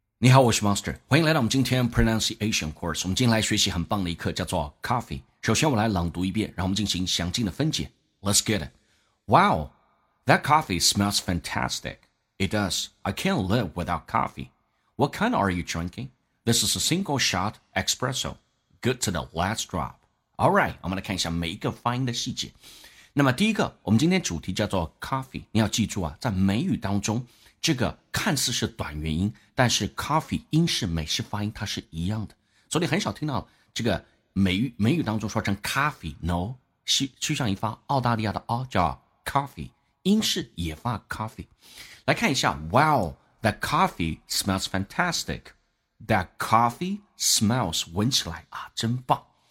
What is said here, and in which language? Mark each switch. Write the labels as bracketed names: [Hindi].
[Chinese] 你好，我是 Monster， 欢迎来到我们今天 Pronunciation Course。 我们今天来学习很棒的一课，叫做 Coffee。首先我来朗读一遍，然后我们进行详尽的分解。 [English] Let's get it. Wow, that coffee smells fantastic. It does. I can't live without coffee. What kind are you drinking? This is a single shot espresso. Good to the last drop. [Chinese] Alright, 我们来看一下每一个发音的细节。那么第一个，我们今天主题叫做 Coffee。你要记住啊，在美语当中这个看似是短元音，但是 coffee 英式美式发音它是一样的，所以很少听到这个美语当中说成 coffee。 No， 趋向于发澳大利亚的 O 叫 coffee， 英式也发 coffee。 [English] 来看一下 Wow, that coffee smells fantastic. That coffee smells [Chinese] 闻起来啊真棒。